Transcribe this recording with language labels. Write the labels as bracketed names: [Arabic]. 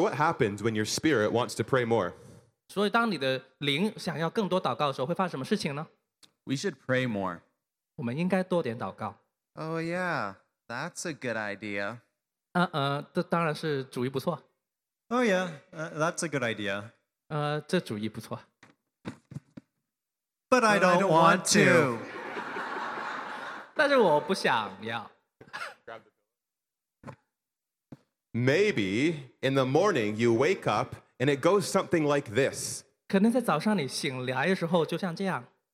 [English] what happens when your spirit wants to pray more? [Chinese] 所以当你的灵想要更多祷告的时候，会发生什么事情呢? [English] We should pray more. [Chinese] 我们应该多点祷告。 [English] Oh yeah, that's a good idea. [Chinese] 这当然是主意不错。 [English] Oh yeah, that's a good idea. [Chinese] 这主意不错。 [English] But I don't want to. [Chinese] 但是我不想要。 [English] Maybe in the morning you wake up and it goes something like this. [Chinese] 可能在早上你醒来的时候就像这样。